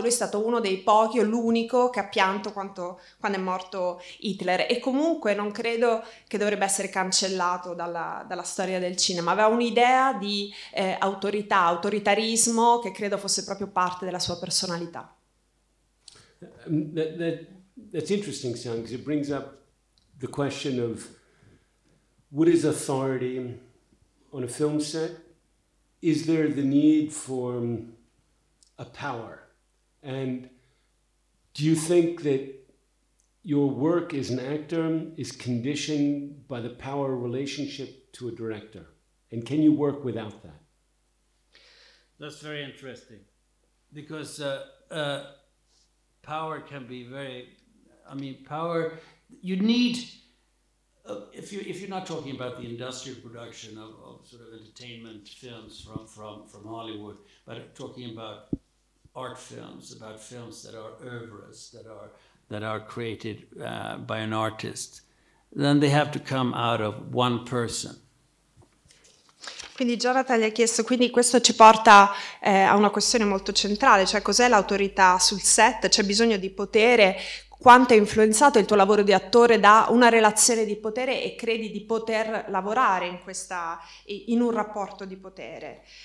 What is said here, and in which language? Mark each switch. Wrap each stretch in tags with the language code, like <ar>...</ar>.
<it>Lui è stato uno dei pochi o l'unico che ha pianto quando è morto Hitler, e comunque non credo che dovrebbe essere cancellato dalla storia del cinema. Aveva un'idea di autorità, autoritarismo, che credo fosse proprio parte della sua personalità.</it> <en>That's interesting, Sam, because it brings up the question of what is authority on a film set? Is there the need for a power? And do you think that your work as an actor is conditioned by the power relationship to a director? And can you work without that? That's very interesting, because power can be very, I mean, power, you need, if you're not talking about the industrial production of sort of entertainment films from Hollywood, but talking about art films, about films that are oeuvres, that are created by an artist, then they have to come out of one person.</en> <it>Quindi Jonathan gli ha chiesto, quindi questo ci porta a una questione molto centrale, cioè cos'è l'autorità sul set? C'è bisogno di potere? Quanto è influenzato il tuo lavoro di attore da una relazione di potere, e credi di poter lavorare in un rapporto di potere?</it>